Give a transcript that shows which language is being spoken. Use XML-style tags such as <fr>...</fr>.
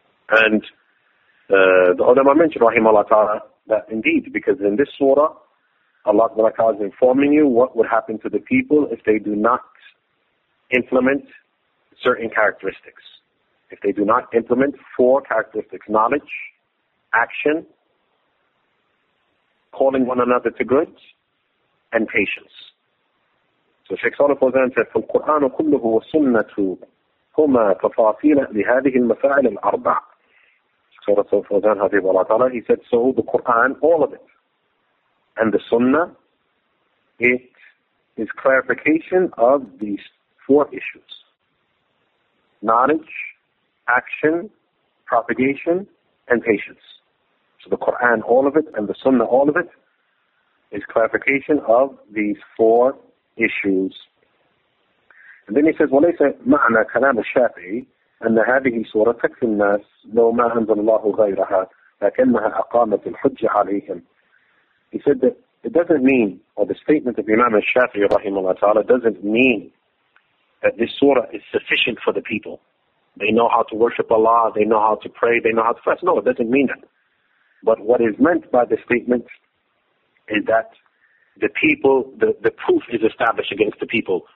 <en>And the ulama mentioned, Rahimahullah Ta'ala, that indeed, because in this surah, Allah Ta'ala is informing you what would happen to the people if they do not implement certain characteristics. If they do not implement four characteristics: knowledge, action, calling one another to good, and patience. So Shaykh Salih Fawzan said,</en> <ar>"فالقرآن كله والسنة هما تفاصيل لهذه المفاعل الأربع."</ar> <en>Surah Al-Fawzan, Habib Allah Ta'ala, he said, so the Qur'an, all of it, and the Sunnah, it is clarification of these four issues: knowledge, action, propagation, and patience. So the Qur'an, all of it, and the Sunnah, all of it, is clarification of these four issues. And then he says,</en> <ar>وَلَيْسَ مَعْنَا كَلَامُ الشَّافِعِي أن هذه سورة تكفي الناس لو ما أنزل الله غيرها لكنها أقامت الحجة عليهم.</ar> <en>He said that it doesn't mean, or the statement of Imam al-Shafi'i rahimahullah ta'ala doesn't mean that this surah is sufficient for the people. They know how to worship Allah, they know how to pray, they know how to fast. No, it doesn't mean that. But what is meant by the statement is that the people, the proof is established against the people.</en>